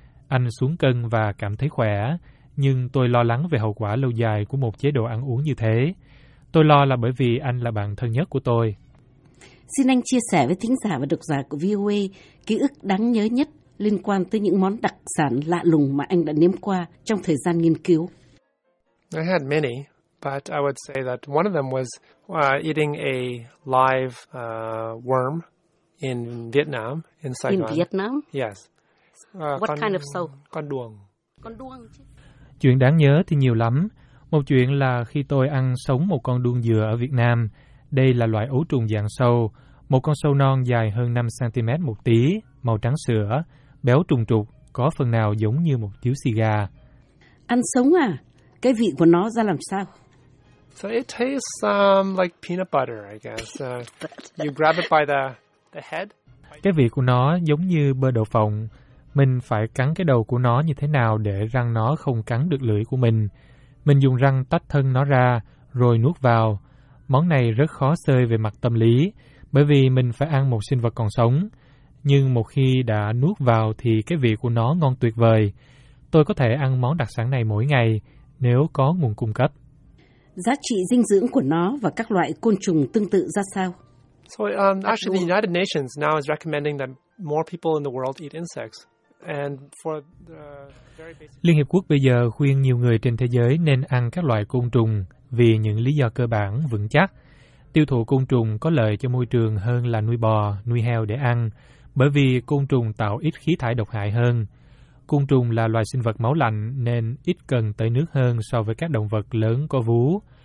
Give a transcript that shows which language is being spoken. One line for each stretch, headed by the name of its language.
Vietnamese: Anh xuống cân và cảm thấy khỏe, nhưng tôi lo lắng về hậu quả lâu dài của một chế độ ăn uống như thế. Tôi lo là bởi vì anh là bạn thân nhất của tôi. Xin anh chia sẻ với thính giả và độc giả của VOA ký ức đáng nhớ nhất liên quan tới những món đặc sản lạ lùng mà anh đã nếm qua trong thời gian nghiên cứu?
English: I had many, but I would say that one of them was eating a live worm in Vietnam, in Saigon. In Vietnam? Yes. What kind of soul?
Vietnamese: Con đuông. Con đuông. Chuyện đáng nhớ thì nhiều lắm. Một chuyện là khi tôi ăn sống một con đuông dừa ở Việt Nam, đây là loại ấu trùng dạng sâu, một con sâu non dài hơn 5cm một tí, màu trắng sữa, béo trùng trục, có phần nào giống như một điếu xì gà. Ăn sống à? Cái vị của nó ra làm sao?
English: So it tastes like peanut butter, I guess. You grab it by the head.
Vietnamese: Cái vị của nó giống như bơ đậu phộng. Mình phải cắn cái đầu của nó như thế nào để răng nó không cắn được lưỡi của mình. Mình dùng răng tách thân nó ra, rồi nuốt vào. Món này rất khó xơi về mặt tâm lý, bởi vì mình phải ăn một sinh vật còn sống. Nhưng một khi đã nuốt vào thì cái vị của nó ngon tuyệt vời. Tôi có thể ăn món đặc sản này mỗi ngày, nếu có nguồn cung cấp. Giá trị dinh dưỡng của nó và các loại côn trùng tương tự ra sao?
English: So, the United Nations now is recommending that more people in the world eat insects. And for
Vietnamese: Liên Hiệp Quốc bây giờ khuyên nhiều người trên thế giới nên ăn các loại côn trùng vì những lý do cơ bản vững chắc. Tiêu thụ côn trùng có lợi cho môi trường hơn là nuôi bò, nuôi heo để ăn, bởi vì côn trùng tạo ít khí thải độc hại hơn. Côn trùng là loài sinh vật máu lạnh nên ít cần tới nước hơn so với các động vật lớn có vú.